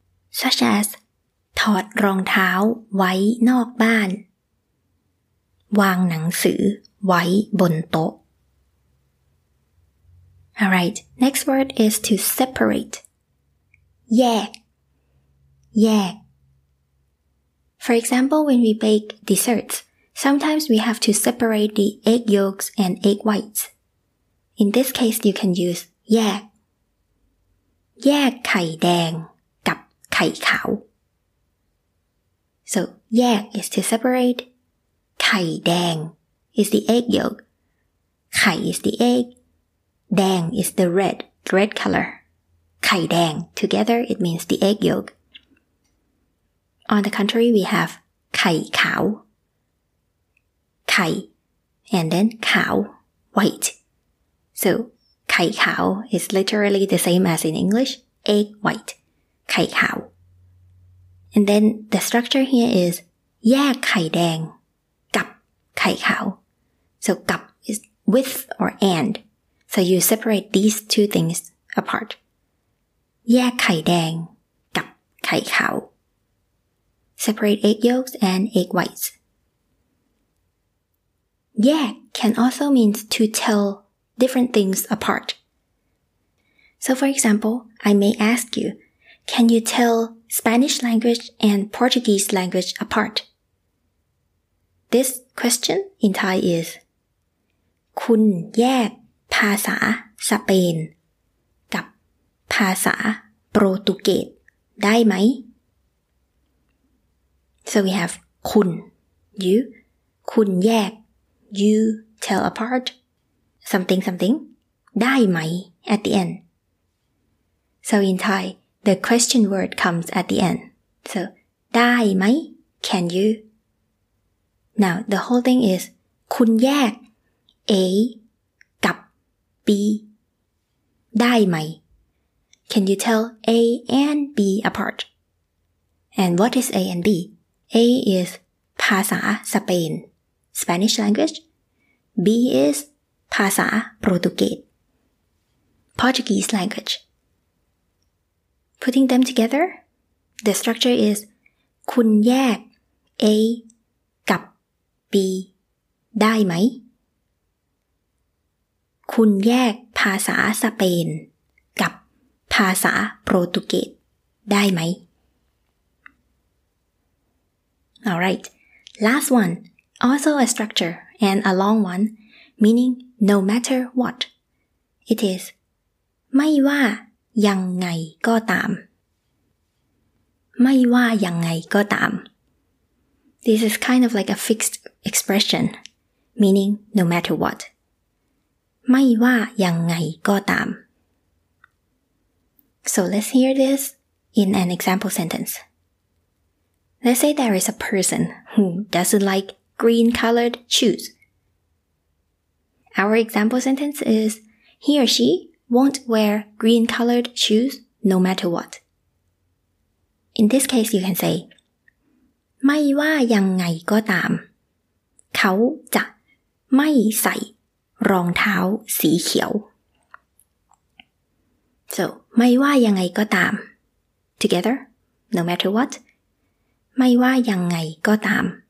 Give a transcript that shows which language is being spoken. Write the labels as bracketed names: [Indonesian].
[English] Such as [Thai] ถอดรองเท้าไว้นอกบ้านวางหนังสือไว้บนโต๊ะ [English] Alright, next word is to separate แยกแยก For example, when we bake desserts, sometimes we have to separate the egg yolks and egg whites. In this case, you can use [Thai] แยกแยกไข่แดงไข่ขาว [English] So, แยก is to separate. ไข่แดง is the egg yolk. ไข่ is the egg. แดง is the red, red color. ไข่แดง together it means the egg yolk. On the contrary, we have ไข่ขาวไข่ and then ขาว white. So, ไข่ขาว is literally the same as in English, egg white. ไข่ขาวAnd then the structure here is [Thai] แยกไข่แดงกับไข่ขาว [English] So กับ is with or and. So you separate these two things apart. [Thai] แยกไข่แดงกับไข่ขาว [English] Separate egg yolks and egg whites. แยก can also mean to tell different things apart. So for example, I may ask you, can you tell... Spanish language and Portuguese language apart. This question in Thai is [Thai] คุณแยกภาษาสเปนกับภาษาโปรตุเกสได้ไหม [English] So we have คุณ you คุณแยก you tell apart something something ได้ไหม at the end. So in ThaiThe question word comes at the end. So, ได้ไหม? Can you? Now, the whole thing is, [Thai] คุณแยก A กับ B ได้ไหม? [English] Can you tell A and B apart? And what is A and B? A is ภาษาสเปน Spanish language. B is ภาษาโปรตุเกส Portuguese language. Putting them together, the structure is [Thai] คุณแยก A กับ B ได้ไหม? คุณแยกภาษาสเปนกับภาษาโปรตุเกสได้ไหม? [English] Alright, last one, also a structure and a long one, meaning no matter what. It is [Thai] ไม่ว่ายังไงก็ตามไม่ว่ายังไงก็ตาม [English] This is kind of like a fixed expression, meaning no matter what. [Thai] ไม่ว่ายังไงก็ตาม [English] So let's hear this in an example sentence. Let's say there is a person who doesn't like green colored shoes. Our example sentence is, he or she won't wear green colored shoes no matter what. In this case, you can say, [Thai] ไม่ว่ายังไงก็ตามเขาจะไม่ใส่รองเท้าสีเขียว So, ไม่ว่ายังไงก็ตาม [English] Together, no matter what, [Thai] ไม่ว่ายังไงก็ตาม